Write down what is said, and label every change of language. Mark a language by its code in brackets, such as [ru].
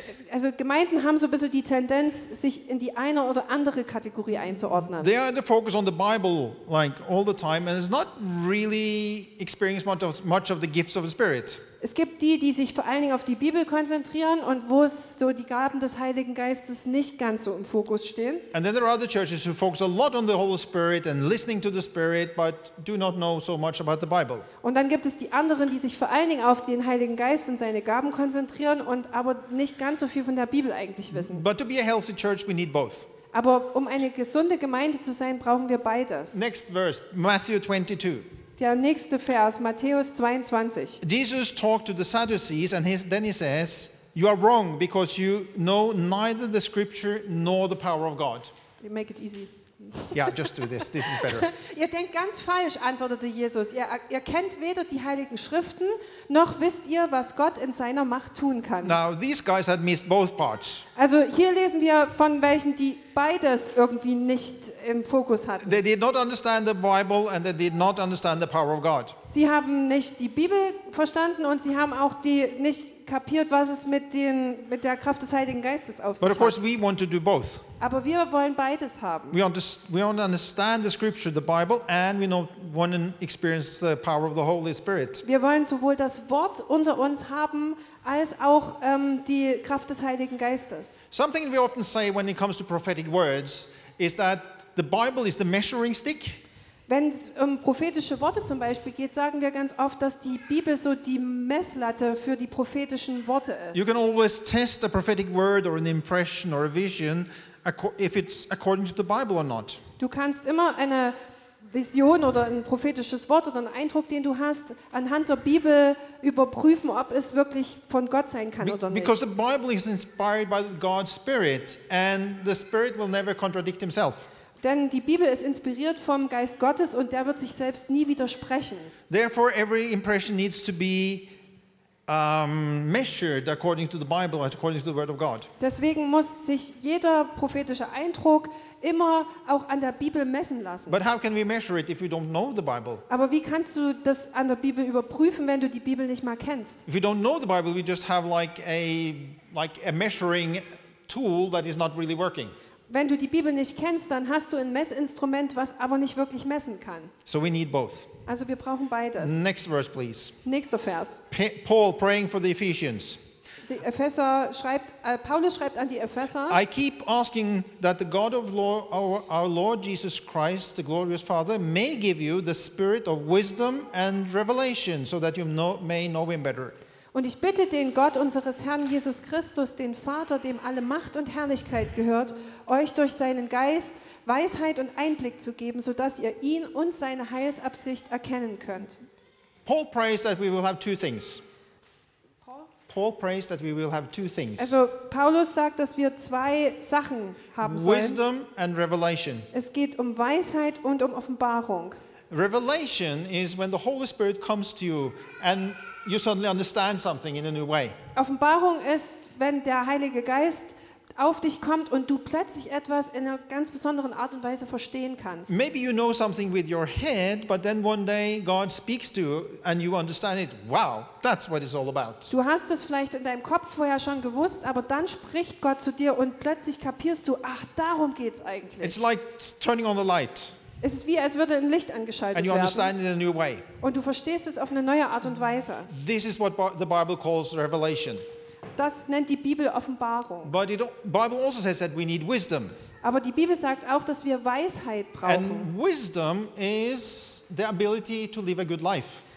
[de] Also Gemeinden haben so ein bisschen die Tendenz, sich in die eine oder andere Kategorie einzuordnen. [en] They are the focus on the Bible like all the time and it's not really experienced much of the gifts of the Spirit. [de] Es gibt die, die sich vor allen Dingen auf die Bibel konzentrieren und wo es so die Gaben des Heiligen Geistes nicht ganz so im Fokus stehen. [en] And then there are other churches who focus a lot on the Holy Spirit and listening to the Spirit but do not know so much about the Bible. [de] Und dann gibt es die anderen, die sich vor allen Dingen auf den Heiligen Geist und seine Gaben konzentrieren und aber nicht ganz so viel von der Bibel eigentlich wissen. [en] But to be a healthy church we need both. [de] Aber um eine gesunde Gemeinde zu sein, brauchen wir beides. [en] Next verse, Matthew 22. [de] Der nächste Vers, Matthäus 22. [en] Jesus talked to the Sadducees and then he says, you are wrong because you know neither the scripture nor the power of God. You make it easy. Yeah, just do this. This is better. [de] Ihr denkt ganz falsch, antwortete Jesus. Ihr kennt weder die heiligen Schriften, noch wisst ihr, was Gott in seiner Macht tun kann. [en] Now, these guys had missed both parts. [de] Also hier lesen wir von welchen, die beides irgendwie nicht im Fokus hatten. [en] They did not understand the Bible and they did not understand the power of God. [de] Sie haben nicht die Bibel verstanden und sie haben auch nicht kapiert, was es mit der Kraft des Heiligen Geistes auf sich hat. [en] But of course we want to do both. [de] Aber wir wollen beides haben. [en] We want to understand the scripture, the Bible, and we want to experience the power of the Holy Spirit. [de] Wir wollen sowohl das Wort unter uns haben, als auch die Kraft des Heiligen Geistes. [en] Something we often say when it comes to prophetic words is that the Bible is the measuring stick. [de] Wenn es prophetische Worte zum Beispiel geht, sagen wir ganz oft, dass die Bibel so die Messlatte für die prophetischen Worte ist. [en] You can always test a prophetic word or an impression or a vision if it's according to the Bible or not. [de] Du kannst immer eine Vision oder ein prophetisches Wort oder einen Eindruck, den du hast, anhand der Bibel überprüfen, ob es wirklich von Gott sein kann oder nicht. [en] Because the Bible is inspired by God's Spirit and the Spirit will never contradict himself. [de] Denn die Bibel ist inspiriert vom Geist Gottes und der wird sich selbst nie widersprechen. [en] Therefore every impression needs to be measured according to the Bible and according to the word of God. [de] Deswegen muss sich jeder prophetische Eindruck immer auch an der Bibel messen lassen. [en] But how can we measure it if we don't know the Bible? [de] Aber wie kannst du das an der Bibel überprüfen, wenn du die Bibel nicht mal kennst? [en] If we don't know the Bible, we just have like a measuring tool that is not really working. [de] Wenn du die Bibel nicht kennst, dann hast du ein Messinstrument, was aber nicht wirklich messen kann. [en] So we need both. [de] Also wir brauchen beides. [en] Next verse, please. [de] Nächster Vers. [en] Paul praying for the Ephesians. [de] Die Epheser schreibt, Paulus schreibt an die Epheser. [en] I keep asking that the God of our Lord Jesus Christ, the glorious Father, may give you the spirit of wisdom and revelation, so that you may know him better. [de] Und ich bitte den Gott unseres Herrn Jesus Christus, den Vater, dem alle Macht und Herrlichkeit gehört, euch durch seinen Geist Weisheit und Einblick zu geben, sodass ihr ihn und seine Heilsabsicht erkennen könnt. [en] Paul prays that we will have two things. Paul prays that we will have two things. [de] Also Paulus sagt, dass wir zwei Sachen haben sollen. [en] Wisdom and revelation. [de] Es geht um Weisheit und um Offenbarung. [en] Revelation is when the Holy Spirit comes to you and you suddenly understand something in a new way. [de] Offenbarung ist, wenn der Heilige Geist auf dich kommt und du plötzlich etwas in einer ganz besonderen Art und Weise verstehen kannst. [en] Maybe you know something with your head, but then one day God speaks to you and you understand it. Wow, that's what it's all about. [de] Du hast es vielleicht in deinem Kopf vorher schon gewusst, aber dann spricht Gott zu dir und plötzlich kapierst du, ach, darum geht's eigentlich. [en] It's like turning on the light. [de] Es ist wie, als würde ein Licht angeschaltet [en] and you understand [de] werden. [en] In a new way. [de] Und du verstehst es auf eine neue Art und Weise. [en] This is what the Bible calls revelation. [de] Das nennt die Bibel Offenbarung. [en] But the Bible also says that we need wisdom. [de] Aber die Bibel sagt auch, dass wir Weisheit brauchen. [en] And wisdom is the ability to live a good life.